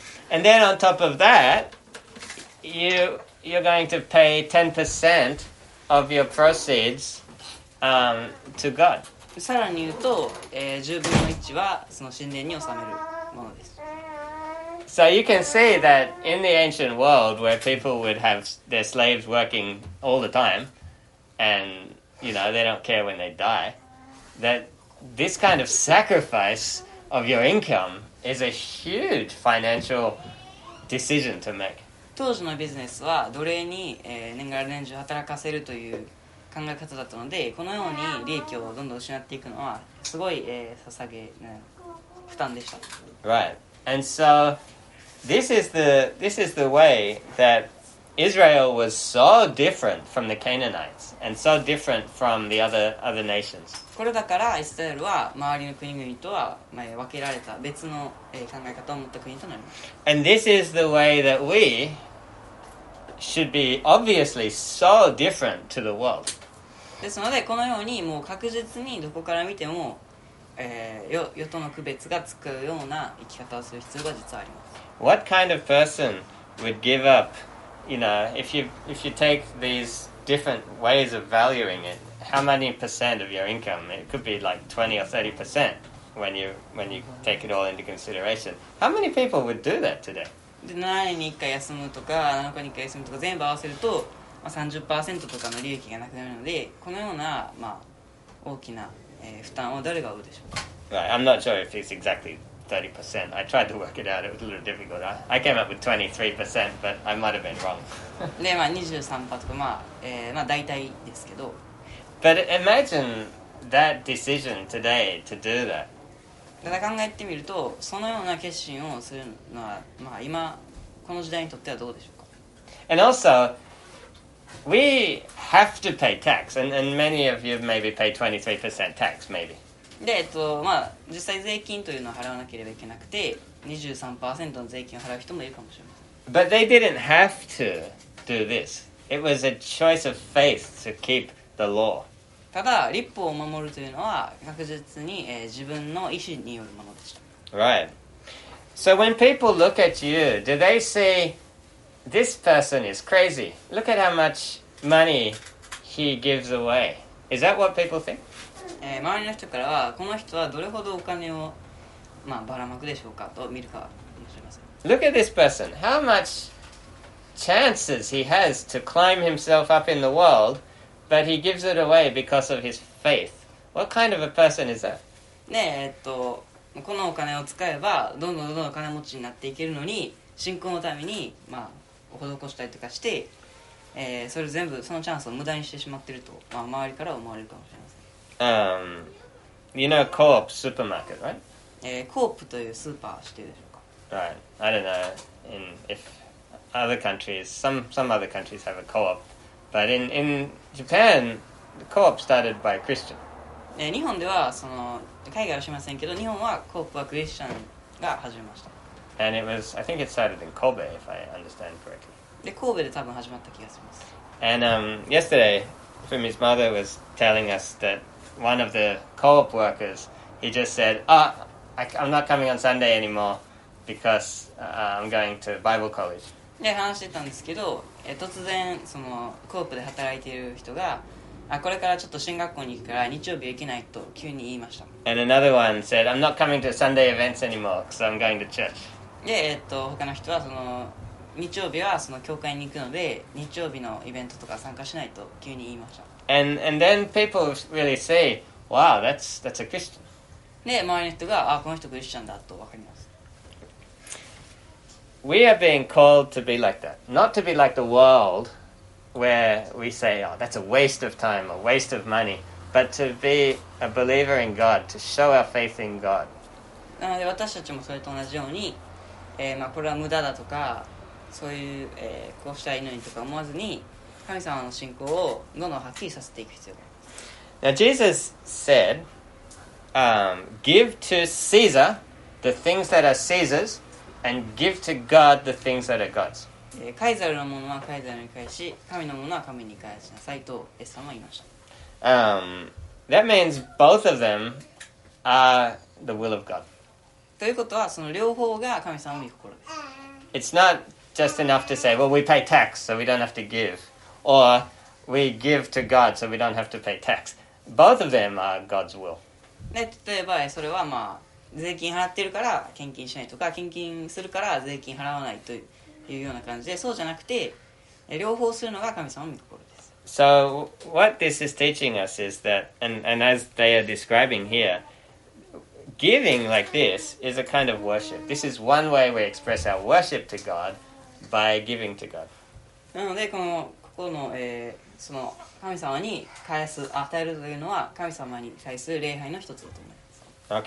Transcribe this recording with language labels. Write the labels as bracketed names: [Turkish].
[English] And then on top of that, you're going to pay 10% of your proceeds, to God. [Japanese] さらに言うと、10分の1はその神殿に納めるものです。 [English] So you can see that in the ancient world where people would have their slaves working all the time and... You know, they don't care when they die. That this kind of sacrifice of your income is a huge financial decision to make. [Japanese] 当時のビジネスは奴隷に、年がら年中働かせるという考え方だったので、このように利益をどんどん失っていくのはすごい、捧げ、負担でした。 [English] Right. And so this is the way that... Israel was so different from the Canaanites and so different from the other nations. [Japanese] これだからイスラエルは周りの国々とは分けられた別の考え方を持った国となります。 [English] And this is the way that we should be obviously so different to the world. [Japanese] ですのでこのようにもう確実にどこから見ても、世との区別がつくような生き方をする必要が実はあります。 [English] What kind of person would give up?You know, if you take these different ways of valuing it how many percent of your income? It could be like 20 or 30% when you take it all into consideration. How many people would do that today? [Japanese] で、7年に1回休むとか、7日に1回休むとか全部合わせると、まあ、30% とかの利益がなくなるので、このような、まあ、大きな、負担を誰が負うでしょうか? [English] Right, I'm not sure if it's exactly 30%. I tried to work it out. It was a little difficult. I came up with 23%, but I might have been wrong. [Japanese] で、まあ、23% とか、まあ、まあ、大体ですけど。 [English] But imagine that decision today to do that. [Japanese] ただ考えてみると、そのような決心をするのは、まあ、今この時代にとってはどうでしょうか? [English] And also, we have to pay tax, and many of you maybe pay 23% tax, maybe. [Japanese] で、まあ、実際税金というのを払わなければいけなくて、23% の税金を払う人もいるかもしれません。 [English] But they didn't have to do this. It was a choice of faith to keep the law. [Japanese] ただ、立法を守るというのは確実に、自分の意思によるものでした。 [English] Right. So when people look at you, do they say, this person is crazy? Look at how much money he gives away. Is that what people think?、 [Japanese] 周りの人からは、この人はどれほどお金を、まあ、ばらまくでしょうかと見るかもしれません。 [English] Look at this person. How much chances he has to climb himself up in the world. But he gives it away because of his faith. What kind of a person is that? [Japanese] ねえ、このお金を使えば、どんどんどんどん金持ちになっていけるのに、信仰のために、まあ、施したりとかして、それ全部、そのチャンスを無駄にしてしまってると、まあ、周りから思われるかもしれません。 [English] You know Co-op Supermarket, right? [Japanese] Co-op というスーパー知ってるでしょうか? [English] Right. I don't know in if other countries, some other countries have a co-op. But in Japan, the co-op started by Christian. [Japanese] 日本ではその海外はしませんけど、日本はコープはクリスチャンが始めました。 [English] And it was, I think it started in Kobe, if I understand correctly. [Japanese] で、神戸で多分始まった気がします。 [English] And yesterday, Fumi's mother was telling us that one of the co-op workers, he just said, "Ah,、oh, I'm not coming on Sunday anymore because、I'm going to Bible college." [Japanese] で話してたんですけど、突然そのコープで働いている人が、あ、これからちょっと進学校に行くから日曜日行けないと急に言いました。 [English] And another one said, I'm not coming to Sunday events anymore, because I'm going to church. [Japanese] で、他の人はその日曜日はその教会に行くので日曜日のイベントとか参加しないと急に言いました。 [English] And then people really say, wow, that's a Christian. [Japanese] で、周りの人が、あ、この人クリスチャンだと分かります。 [English] We are being called to be like that. Not to be like the world, where we say, oh, that's a waste of time, a waste of money, but to be a believer in God, to show our faith in God. [Japanese] なので私たちもそれと同じように、まあ、これは無駄だとか、そういう、こうしたらいいのにとか思わずに、神様の信仰をどんどんはっきりさせていく必要があります。 [English] Now, Jesus said, give to Caesar the things that are Caesar's,And give to God the things that are God's. [Japanese] カイザルのものはカイザルに返し、神のものは神に返しなさいとイエス様は言いました。 [English] That means both of them are the will of God. [Japanese] ということは、その両方が神様の御心です。 [English] It's not just enough to say, well, we pay tax, so we don't have to give. Or, we give to God, so we don't have to pay tax. Both of them are God's will. [Japanese] ね、例えば、それはまあ、税金払ってるから献金しないとか献金するから税金払わないというような感じでそうじゃなくて両方するのが神様の御心です。 [English] So what this is teaching us is that, and as they are describing here, giving like this is a kind of worship. This is one way we express our worship to God by giving to God. [Japanese] なのでここの、その神様に返す与えるというのは神様に対する礼拝の一つだと思います。